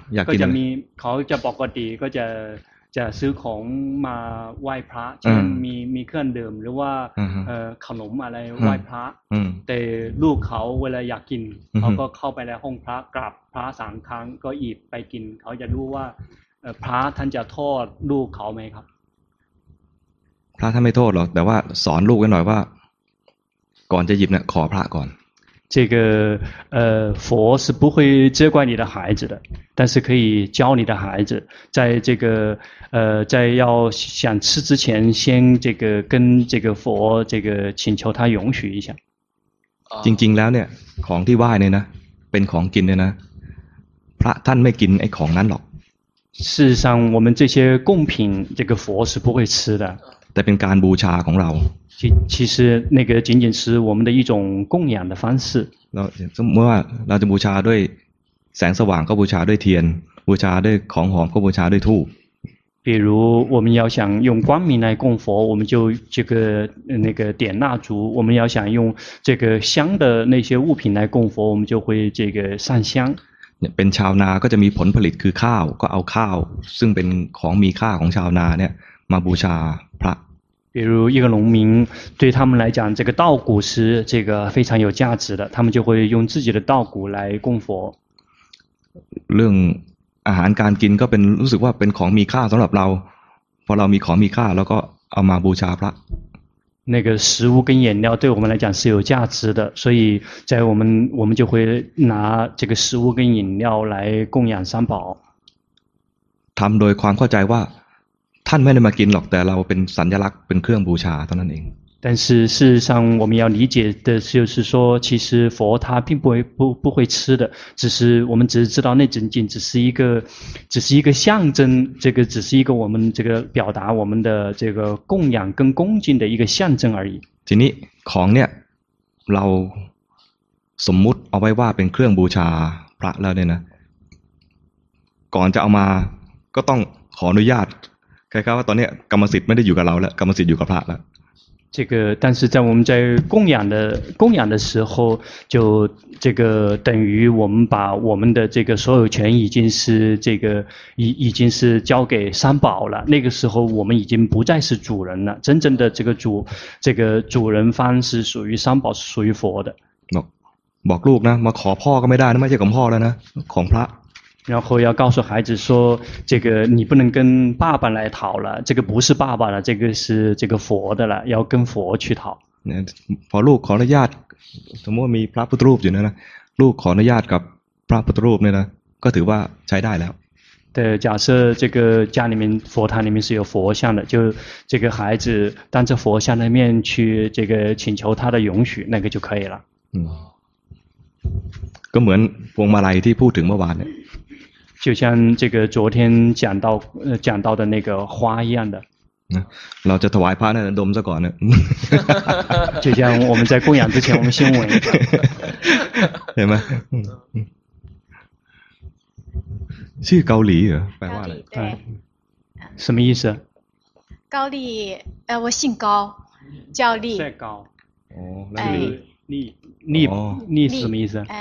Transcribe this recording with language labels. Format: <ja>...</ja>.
<th>ก็จะมีเขาจะปกติก็จะซื้อของมาไหว้พระเช่นมีเครื่องดื่มหรือว่าขนมอะไรไหว้พระแต่ลูกเขาเวลาอยากกินเขาก็เข้าไปในห้องพระกราบพระสามครั้งก็หยิบไปกินเขาจะรู้ว่าพระท่านจะโทษลูกเขาไหมครับ พระท่านไม่โทษหรอกแต่ว่าสอนลูกกันหน่อยว่าก่อนจะหยิบเนี่ยขอพระก่อน</th> <zh>这个佛是不会责怪你的孩子的但是可以教你的孩子在这个在要想吃之前先这个跟这个佛这个请求他允许一下</zh> <th>จริงๆแล้วเนี่ยของที่ไหว้เนี่ยนะเป็นของกินเนี่ยนะพระท่านไม่กินไอ้ของนั้นหรอก</th> <zh>事实上我们这些贡品这个佛是不会吃的</zh> <th>แต่เป็นการบูชาของเรา</th> <zh>其实那个仅仅是我们的一种供养的方式</zh> <th>เราเมื่อเราจะบูชาด้วยแสงสว่างก็บูชาด้วยเทียนบูชาด้วยของหอมก็บูชาด้วยธูป</th> <zh>比如我们要想用光明来供佛我们就这个那个点蜡烛我们要想用这个香的那些物品来供佛我们就会这个上香</zh> <th>เป็นชาวนาก็จะมีผลผลิตคือข้าวก็เอาข้าวซึ่งเป็นของมีค่าของชาวนาเนี่ยมาบูชาพระ</th> <zh>比如一个农民对他们来讲这个稻谷是这个非常有价值的他们就会用自己的稻谷来供佛</zh> <th>เรื่องอาหารการกินก็เป็นรู้สึกว่าเป็นของมีค่าสำหรับเราพอเรามีของมีค่าแล้วก็เอามาบูชาพระ</th> <zh>那个食物跟饮料对我们来讲是有价值的所以在我们就会拿这个食物跟饮料来供养三宝</zh> <th>ทำโดยความเข้าใจว่าท่านไม่ได้มากินหรอกแต่เราเป็นสัญลักษณ์เป็นเครื่องบูชาเท่านั้นเอง</th> <zh>但是事实上我们要理解的就是说其实佛他并不会吃的只是我们只是知道那仅仅只是一个象征这个只是一个我们这个表达我们的这个供养跟恭敬的一个象征而已</zh> <th>ทีนี้ของเนี่ยเราสมมุติเอาไว้ว่าเป็นเครื่องบูชาพระแล้วเนี่ยนะก่อนจะเอามาก็ต้องขออนุญาตใครครับว่าตอนนี้กรรมสิทธิ์ไม่ได้อยู่กับเราแล้วกรรมสิทธิ์อยู่กับพระแล้ว</th> <zh>这个但是在我们在供养的时候就这个等于我们把我们的这个所有权已经是这个已经是交给三宝了那个时候我们已经不再是主人了真正的这个主人方是属于三宝是属于佛的</zh> <th>บอกลูกนะมาขอพ่อก็ไม่ได้นะไม่ใช่ของพ่อแล้วนะของพระ</th> <zh>然后要告诉孩子说这个你不能跟爸爸来讨了这个不是爸爸了这个是这个佛的了要跟佛去讨</zh> <th>พอลูกขออนุญาตสมมติมีพระพุทธรูปอยู่เนี่ยนะลูกขออนุญาตกับพระพุทธรูปเนี่ยนะก็ถือว่าใช้ได้แล้ว</th> <zh>对假设这个家里面佛堂里面是有佛像的就这个孩子当着佛像的面去这个请求他的允许那个就可以了</zh> <th>ก็เหมือนพวงมาลัยที่พูดถึงเมื่อวานเนี่ย</th> <zh>就像这个昨天讲到的那个花一样的</zh> <th>เราจะถวายพระนั่นดมซะก่อนเนี่ย</th> <zh>就像我们在供养之前我们先闻</zh> <th>เห็นไหมชื่อเกาหลีเหรอแปลว่าอะไร</th> <zh>什么意思高丽我姓高叫丽在高哦，那个丽是什么意思？</zh>